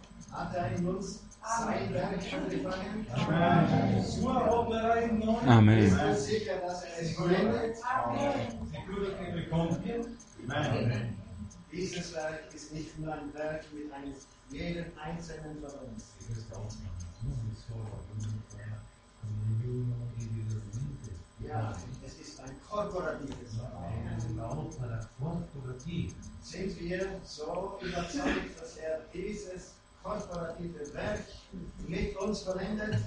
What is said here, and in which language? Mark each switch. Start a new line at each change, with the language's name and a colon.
German: Hat er in uns sein Werk angefangen?
Italian: Amen. Sua opera in noi? Amen.
German: Sei sicher, dass er es vollendet? Amen.
Italian: Sicuro che lui compie? Amen.
German: Dieses Werk ist nicht nur ein Werk mit jedem Einzelnen von uns.
Italian: Questa opera non è solo individualmente.
German: Ja, es ist ein korporatives Werk. Sind wir so überzeugt, dass er dieses korporative Werk mit uns vollendet?